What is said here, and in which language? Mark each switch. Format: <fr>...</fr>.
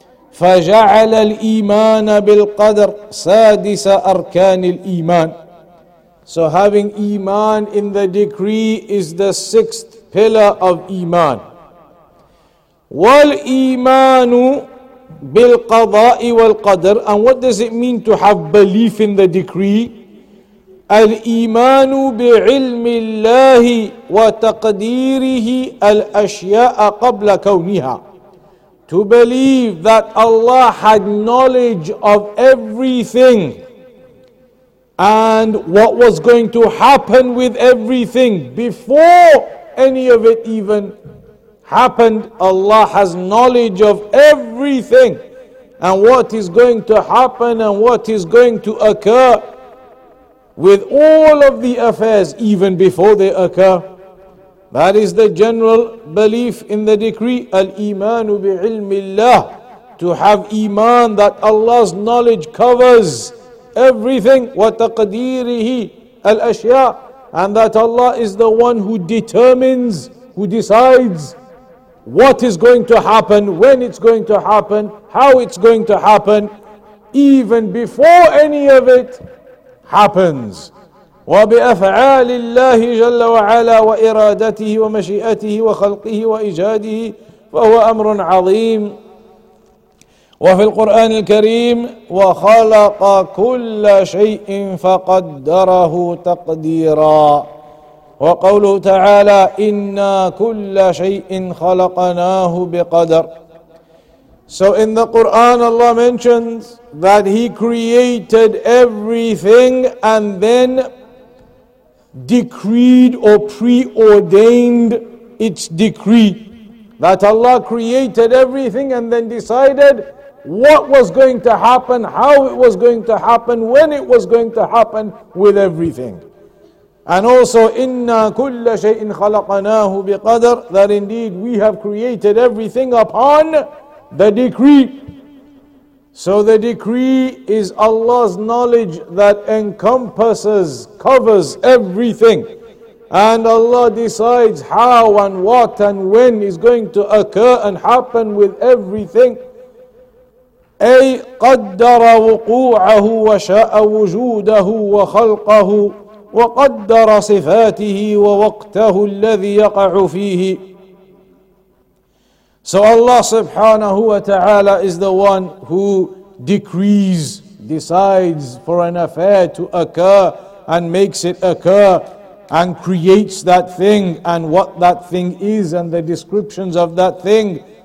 <ar>فجعل الإيمان بالقدر سادس أركان الإيمان.</ar> <en>So having iman in the decree is the sixth pillar of iman.</en> <ar>والإيمان بالقضاء والقدر.</ar> <en>And what does it mean to have belief in the decree?</en> <ar>الإيمان بعلم الله وتقديره الأشياء قبل كونها.</ar> <en>To believe that Allah had knowledge of everything and what was going to happen with everything before any of it even happened. Allah has knowledge of everything and what is going to happen and what is going to occur with all of the affairs even before they occur. That is the general belief in the decree,</en> <ar>al-imanu bi-ilmillah,</ar> <en>to have iman that Allah's knowledge covers everything,</en> <ar>wa taqdeerihi al-ashya,</ar> <en>and that Allah is the one who determines, who decides what is going to happen, when it's going to happen, how it's going to happen, even before any of it happens.</en> <ar>وبأفعال الله جل وعلا وإرادته ومشيئته وخلقه وإيجاده فهو أمر عظيم. وفي القرآن الكريم وخلق كل شيء فقدره تقديرا. وقوله تعالى إنا كل شيء خلقناه بقدر.</ar> <en>So in the Quran Allah mentions that He created everything and then decreed or preordained its decree. That Allah created everything and then decided what was going to happen, how it was going to happen, when it was going to happen with everything. And also,</en> <ar>inna kulla shay'in khalaqanahu biqadr,</ar> <en>that indeed we have created everything upon the decree. So the decree is Allah's knowledge that encompasses, covers everything. And Allah decides how and what and when is going to occur and happen with everything.</en> <ar>أي قدر وقوعه وشاء وجوده وخلقه وقدر صفاته ووقته الذي يقع فيه.</ar> <en>So Allah subhanahu wa ta'ala is the one who decrees, decides for an affair to occur and makes it occur and creates that thing and what that thing is and the descriptions of that thing.</en>